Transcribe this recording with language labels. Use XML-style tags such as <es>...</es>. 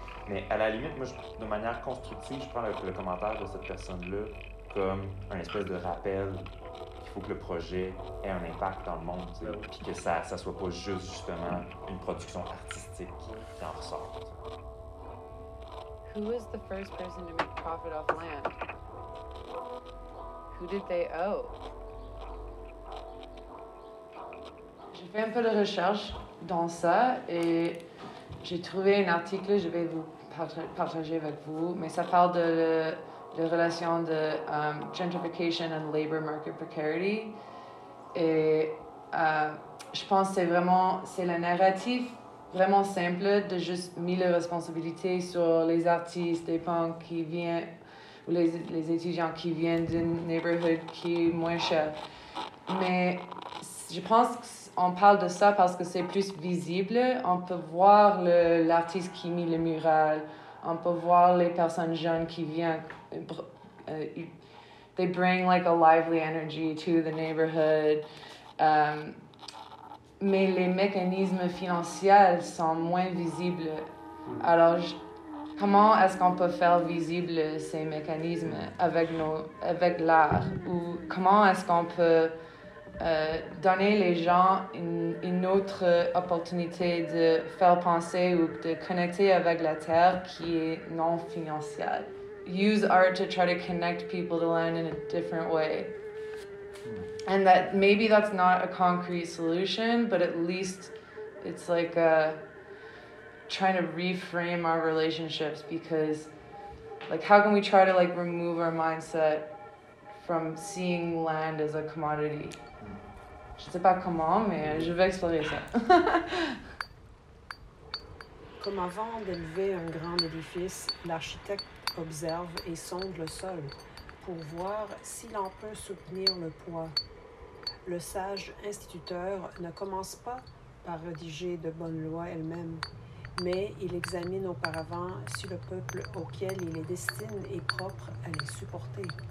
<fr>Mais à la limite, moi, de manière constructive, je prends le commentaire de cette personne-là comme un espèce de rappel qu'il faut que le projet ait un impact dans le monde, tu sais, puis que ça ne soit pas juste, justement, une production artistique qui en ressort. T'sais.</fr> <en>Who was the first person to make profit off land? Who did they owe?</en> <fr>J'ai fait un peu de recherche dans ça et j'ai trouvé un article que je vais vous partager avec vous, mais ça parle de la relation de gentrification</fr> <en>and labor market precarity.</en> <fr>Et je pense que c'est le narratif vraiment simple de juste mettre les responsabilités sur les artistes, les punks qui viennent, ou les étudiants qui viennent d'une neighborhood qui est moins chère. Mais je pense que on parle de ça parce que c'est plus visible. On peut voir l'artiste qui met le mural. On peut voir les personnes jeunes qui viennent.</fr> <en>They bring like a lively energy to the neighborhood.</en> <fr>Mais les mécanismes financiers sont moins visibles. Alors, comment est-ce qu'on peut faire visible ces mécanismes avec l'art? Ou comment est-ce qu'on peut donner les gens une autre opportunité de faire penser ou de connecter avec la terre qui est non financière.</fr> <en>Use art to try to connect people to land in a different way. And that maybe that's not a concrete solution, but at least it's like trying to reframe our relationships because, like, how can we try to like remove our mindset from seeing land as a commodity?</en> <fr>Je sais pas comment, mais je vais explorer ça. Comme avant d'élever un grand édifice, l'architecte observe et sonde le sol pour voir s'il en peut soutenir le poids. Le sage instituteur ne commence pas par rédiger de bonnes lois elle-même, mais il examine auparavant si le peuple auquel il les destine est propre à les supporter.</fr>